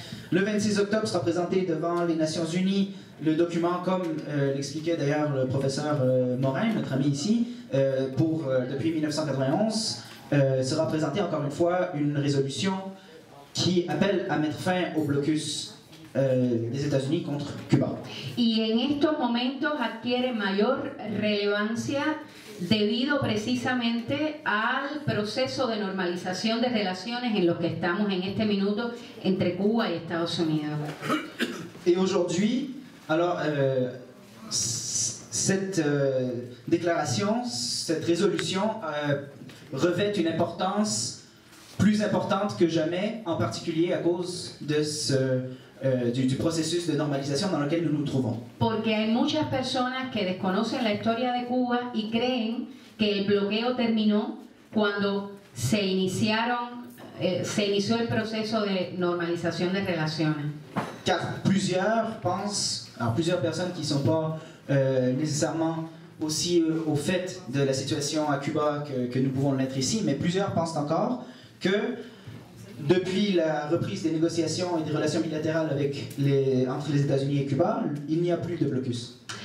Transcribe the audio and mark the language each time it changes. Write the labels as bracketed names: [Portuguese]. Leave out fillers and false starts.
[French] Le 26 octobre sera présenté devant les Nations Unies le document, comme l'expliquait d'ailleurs le professeur Morin, notre ami ici, depuis 1991, sera présenté encore une fois une résolution qui appelle à mettre fin au blocus des États-Unis contre Cuba. [Spanish] Et en estos momentos adquiere mayor relevancia debido precisamente al proceso de normalización de relaciones en los que estamos en este minuto entre Cuba y Estados Unidos. [French] Et aujourd'hui, alors cette déclaration, cette résolution revêt une importance plus importante que jamais, en particulier à cause de ce du processus de normalisation dans lequel nous nous trouvons. [Spanish] Porque hay muchas personas que desconocen la historia de Cuba y creen que el bloqueo terminó cuando se inició el proceso de normalización de relaciones. [French] Car plusieurs pensent, alors plusieurs personnes qui ne sont pas nécessairement aussi au fait de la situation à Cuba que nous pouvons l'être ici, mais plusieurs pensent encore que depuis la reprise des négociations et des relations bilatérales entre les États-Unis et Cuba, il n'y a plus de blocus.